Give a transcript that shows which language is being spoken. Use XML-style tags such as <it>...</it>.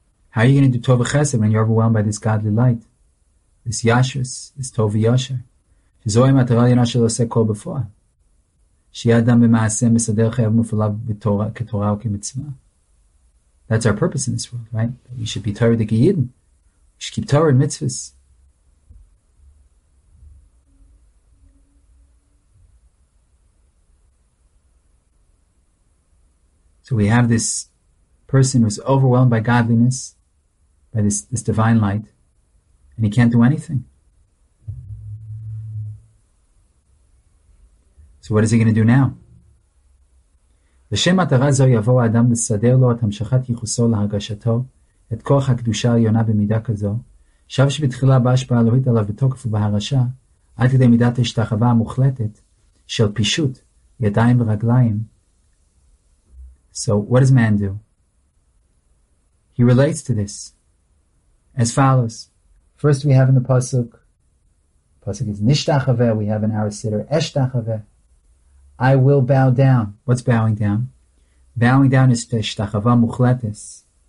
<en>How are you going to do tov and chesed when you're overwhelmed by this godly light, this yashus, this tov yasher?</en> <he>שזוהי מטרה עליונה של עושה כל בפועל. שיהיה אדם במעשה מסדר חייו מופעליו בתורה, כתורה או כמצווה.</he> <en>That's our purpose in this world, right? That we should be Torah the Geyidin. We should keep Torah and mitzvahs. So we have this person who's overwhelmed by godliness, by this divine light, and he can't do anything. So what is he going to do now?</en> <he>לשם מטרה זו יבוא האדם לסדר לו את המשכת ייחוסו להרגשתו, את כוח הקדושה העליונה במידה כזו, שב שבתחילה בהשפעה אלוהית עליו בתוקף ובהרשה, עד כדי מידת השתחווה המוחלטת של פישוט ידיים ורגליים.</he> <en>So what does man do? He relates to this as follows. First we have in the pasuk is nishtachaveh, we have in our siddur eshtachaveh. I will bow down. What's bowing down? Bowing down is teshtachavah muchletes.</en>